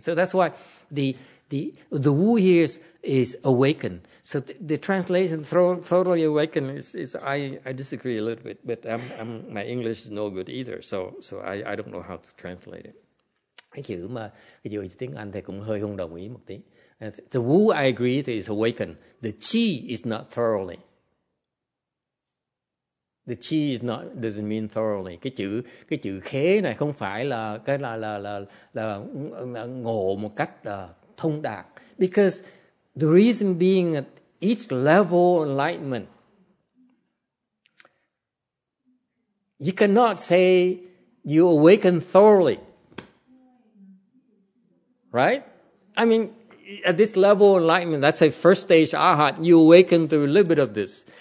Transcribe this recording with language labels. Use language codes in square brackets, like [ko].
[en] So that's why the Wu here is awakened. So the translation thoroughly awakened is I disagree a little bit, but I'm my English is no good either, so I don't know how to translate it. [vi] Cái chữ mà cái chữ tiếng Anh thì cũng hơi không đồng ý một tí. [en] The Wu I agree is awakened. The Qi is not thoroughly. The chi is not doesn't mean thoroughly. [vi] Cái chữ khế này không phải là cái là ngộ một cách thông đạt. [en] Because the reason being at each level of enlightenment, you cannot say you awaken thoroughly. Right? I mean, at this level of enlightenment, let's say first stage arhat, you awaken to a little bit of this.